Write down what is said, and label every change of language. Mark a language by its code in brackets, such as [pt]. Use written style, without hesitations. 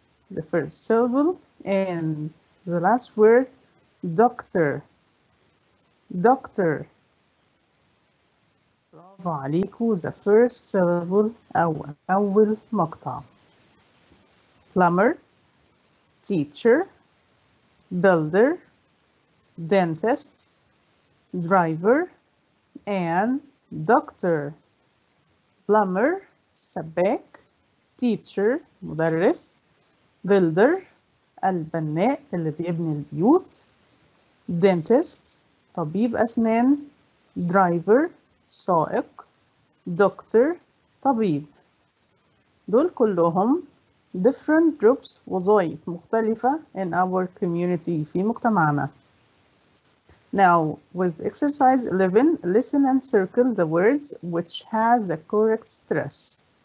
[en] The first syllable and the last word doctor. Doctor. [ar] برافو عليكو، [en] the first syllable [ar] أول مقطع. [en] Plumber, teacher, builder, dentist, driver, and doctor. [ar] Plumber, سباك، teacher, مدرس، builder, البناء اللي بيبني البيوت، dentist, طبيب أسنان، driver, سائق، doctor, طبيب. دول كلهم [en] different groups [ar] وظائف مختلفة [en] in our community، [ar] في مجتمعنا. [en] Now with exercise 11, listen and circle the words which has the correct stress.